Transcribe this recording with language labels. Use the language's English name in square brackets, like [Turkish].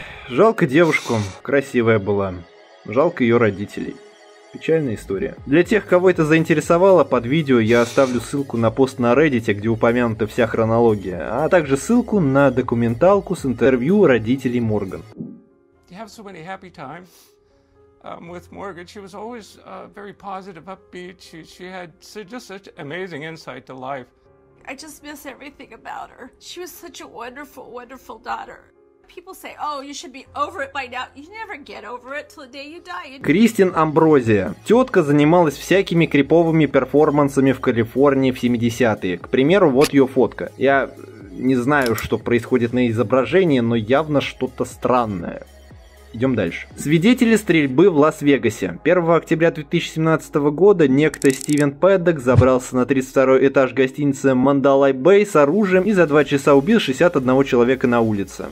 [Russian] Жалко девушку, красивая была. Жалко ее родителей. Печальная история. Для тех, кого это заинтересовало, под видео я оставлю ссылку на пост на Reddit, где упомянута вся хронология, а также ссылку на документалку с интервью родителей Морган. [English] You have so many happy times with Morgan. She was always very positive, upbeat. She had just such amazing insight to life. I just miss everything about her. She was such a wonderful, wonderful daughter. People say, oh, you should be over it by now. You never get over it till the day you die. Кристин Амброзия. [Russian] Тетка занималась всякими криповыми перформансами в Калифорнии в 70-е. К примеру, вот ее фотка. Я не знаю, что происходит на изображении, но явно что-то странное. Идем дальше. Свидетели стрельбы в Лас-Вегасе. 1 октября 2017 года некто Стивен Пэддок забрался на 32 этаж гостиницы Мандалай Бэй с оружием и за 2 часа убил 61 человека на улице.